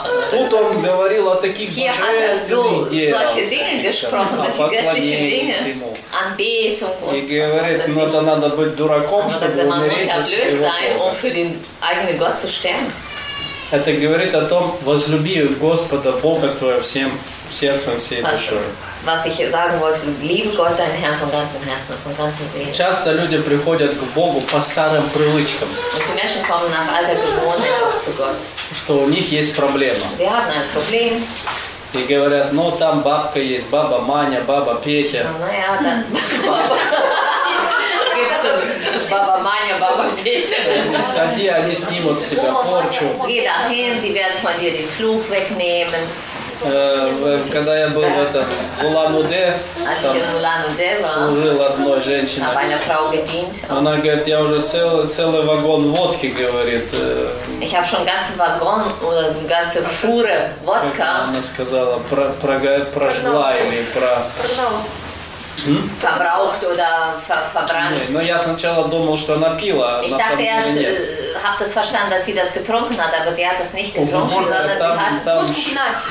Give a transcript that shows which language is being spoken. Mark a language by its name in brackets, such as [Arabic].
[Russian] Тут он говорил о таких божественных делах, о поклонении всему. И говорит, ну это надо быть дураком, чтобы умереть за своего Бога. Это говорит о том, возлюби Господа Бога твоего всем сердцем, всей душой. [German] Was ich sagen wollte, liebe Gott, dein Herr, von ganzem Herzen, von ganzem Seelen. [Russian] Часто люди приходят к Богу по старым привычкам. [German] Und die Menschen kommen nach alter Gewohnheit zu Gott. [Russian] Что у них есть проблема. [German] Sie haben ein Problem. [Russian] И говорят, ну там бабка есть, баба Маня, баба Петя. Баба Маня, баба Петя. Сходи, они снимут с тебя порчу. [German] Geh dahin, die werden von dir den Fluch wegnehmen. [Russian] Когда я был в этом Улан-Удэ, служил одной женщине, она говорит, я уже целый вагон водки, говорит. [German] Ich habe schon ganzen Wagon oder so ganze Fuhre Wodka. [Russian] Она сказала, прожгла или про... [German] Verbraucht oder verbrannt. Nee, [Russian] но я сначала думал, что она пила, на самом деле нет. [German] Ich dachte erst, habe das verstanden, dass sie das getrunken hat, aber sie hat das nicht getrunken, sondern sie hat...